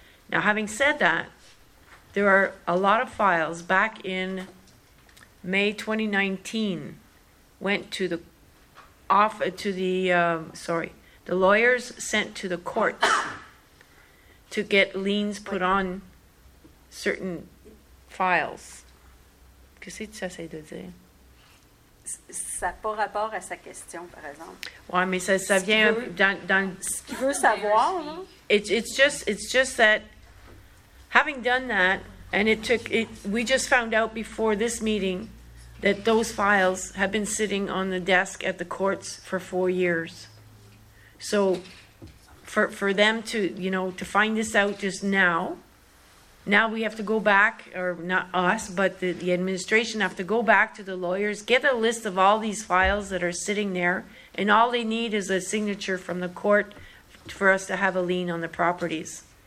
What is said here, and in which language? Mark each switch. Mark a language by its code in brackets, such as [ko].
[en] Now, having said that, there are a lot of files back in May 2019 went to the the lawyers sent to the courts to get liens put on certain [fr] files. Qu'est-ce que tu essaies de dire? Ça n'a pas rapport à sa question, par exemple. Oui, mais ça vient dans ce qu'il veut savoir. [en] It's just that having done that, and we just found out before this meeting that those files have been sitting on the desk at the courts for 4 years. So for them to, you know, to find this out just now, now we have to go back, or not us, but the administration have to go back to the lawyers, get a list of all these files that are sitting there, and all they need is a signature from the court for us to have a lien on the properties.